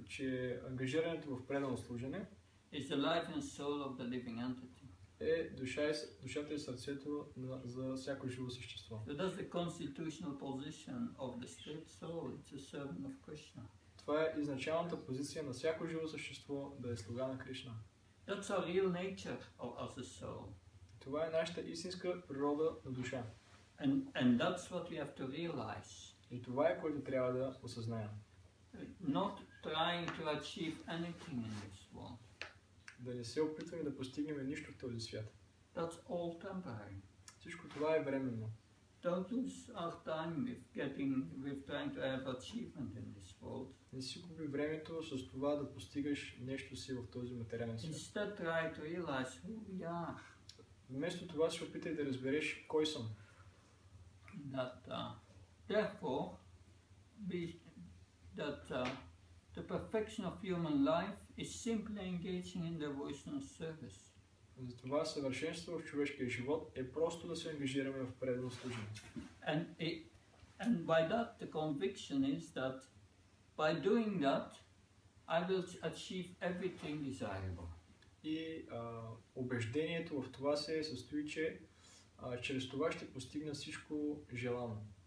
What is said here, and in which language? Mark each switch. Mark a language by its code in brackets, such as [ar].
[bg] че ангажирането в предано служене, [en] is the life and soul of the living entity, [bg] е душата и сърцето за всяко живо същество. [en] So that's the constitutional position of the spirit soul, it's a servant of Krishna. [bg] Това е изначалната позиция на всяко живо същество, да е слуга на Кришна. [en] That's our real nature of us as soul. [bg] Това е нашата истинска природа на душа. [en] And that's what we have to realize. [bg] И това е, което трябва да осъзнаем. [en] Not trying to achieve anything in this world. [bg] Да не се опитваме да постигнем нищо в този свят. [en] That's all temporary. [bg] Всичко това е временно. [en] Don't lose our time with getting, with trying to have achievement in this world. [bg] Не си купи времето с това да постигаш нещо си в този материален свят. [en] Instead, try to realize who we are. [bg] Вместо това се опитай да разбереш кой съм. [en] That, therefore, the perfection of human life is simply engaging in devotional service. [bg] Затова съвършенство в човешкия живот е просто да се ангажираме в предано служение. [en] And by that the conviction is that by doing that I will achieve everything desirable. [bg] И убеждението в това се състои, че чрез това ще постигна всичко желано.